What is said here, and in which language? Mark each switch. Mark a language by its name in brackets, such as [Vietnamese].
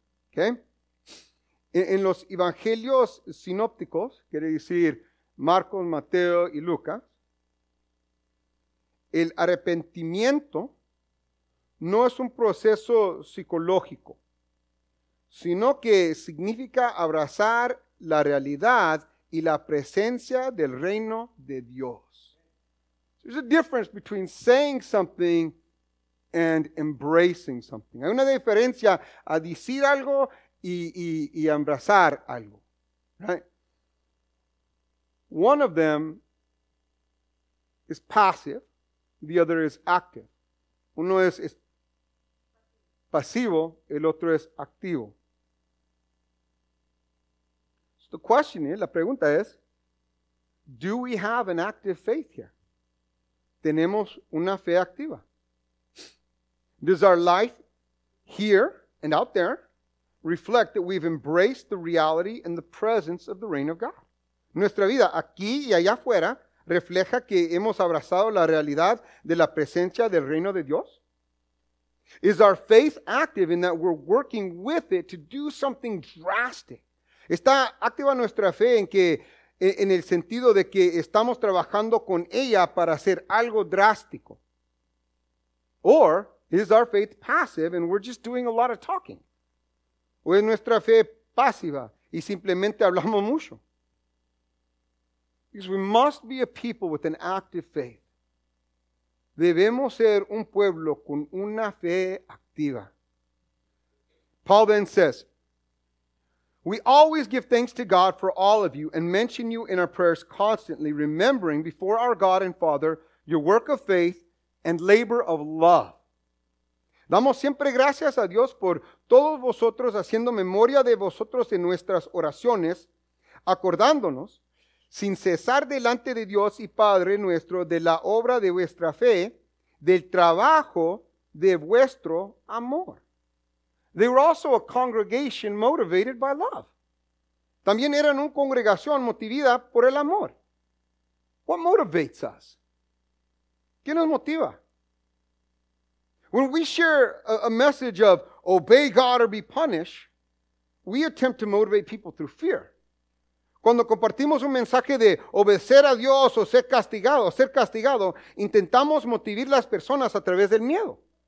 [English] Okay? [Spanish] En los evangelios sinópticos, quiere decir Marcos, Mateo y Lucas, el arrepentimiento no es un proceso psicológico, sino que significa abrazar la realidad y la presencia del reino de Dios. [English] There's a difference between saying something and embracing something. [Spanish] Hay una diferencia a decir algo y abrazar algo, [English] right? One of them is passive, the other is active. [Spanish] Uno es pasivo, el otro es activo. [English] So the question is, [Spanish] la pregunta es, [English] do we have an active faith here? [Spanish] ¿Tenemos una fe activa? [English] Does our life here and out there reflect that we've embraced the reality and the presence of the reign of God? [Spanish] Nuestra vida aquí y allá afuera refleja que hemos abrazado la realidad de la presencia del reino de Dios. [English] Is our faith active in that we're working with it to do something drastic? [Spanish] ¿Está activa nuestra fe en que en el sentido de que estamos trabajando con ella para hacer algo drástico? [English] Or is our faith passive and we're just doing a lot of talking? [Spanish] ¿O es nuestra fe pasiva y simplemente hablamos mucho? [English] Because we must be a people with an active faith. [Spanish] Debemos ser un pueblo con una fe activa. [English] Paul then says, we always give thanks to God for all of you and mention you in our prayers constantly, remembering before our God and Father your work of faith and labor of love. [Spanish] Damos siempre gracias a Dios por todos vosotros, haciendo memoria de vosotros en nuestras oraciones, acordándonos sin cesar delante de Dios y Padre nuestro de la obra de vuestra fe, del trabajo de vuestro amor. [English] They were also a congregation motivated by love. [Spanish] También eran una congregación motivada por el amor. [English] What motivates us? [Spanish] ¿Qué nos motiva? [English] When we share a message of obey God or be punished, we attempt to motivate people through fear. [Spanish] Cuando compartimos un mensaje de obedecer a Dios o ser castigado, intentamos motivar las personas a través del miedo.